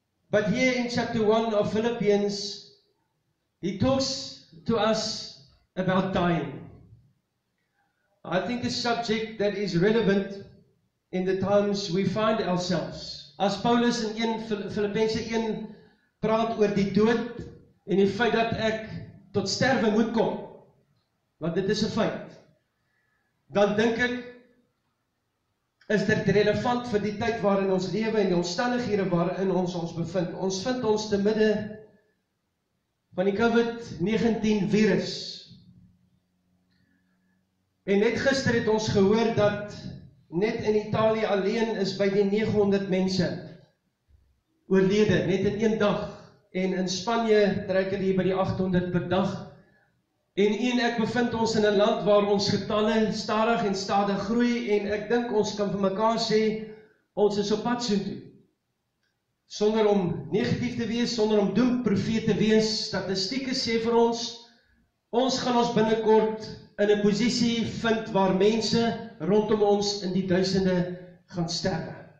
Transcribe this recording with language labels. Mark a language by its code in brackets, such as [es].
[en] But here in chapter 1 of Philippians, he talks to us about dying. I think a subject that is relevant in the times we find ourselves. [af] As Paulus in 1 Philippense 1 praat oor die dood en die feit dat ek tot sterwe moet kom, want dit is 'n feit, dan dink ek, is dit relevant vir die tyd waarin ons lewe en die omstandighede waarin ons bevind. Ons vind ons te midde van die COVID-19 virus. En net gister het ons gehoor dat net in Italië alleen is by die 900 mense oorlede, net in een dag. En in Spanje trek hulle hier by die 800 per dag. En ek bevind ons in 'n land waar ons getalle stadig en stadig groei, en ek dink ons kan vir mekaar sê, ons is op pad soontoe. Sonder om negatief te wees, sonder om doemprofeet te wees, statistieke sê vir ons, ons gaan ons binnekort in 'n posisie vind waar mense rondom ons in die duisende gaan sterwe.